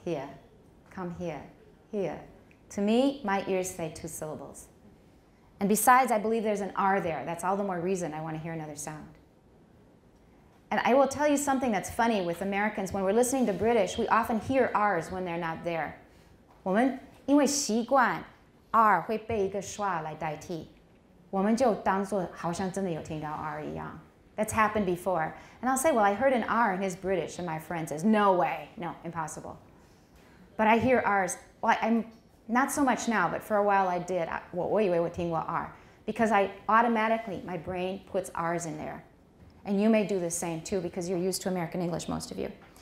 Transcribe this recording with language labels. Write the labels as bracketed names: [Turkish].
[English] Here. Come here. Here. To me, my ears say two syllables. And besides, I believe there's an R there. That's all the more reason I want to hear another sound. And I will tell you something that's funny with Americans. When we're listening to British, we often hear R's when they're not there. [Chinese] 我们因为习惯 R 会被一个 schwa 来代替。我们就当作好像真的有听到 R 一样。 [English] That's happened before. And I'll say, well, I heard an R and it's British. And my friend says, no way. No, impossible. But I hear R's. Well, I'm not so much now, but for a while I did. [Chinese] 我以为我听过 R. [English] Because I automatically, my brain puts R's in there. And you may do the same too because you're used to American English, most of you.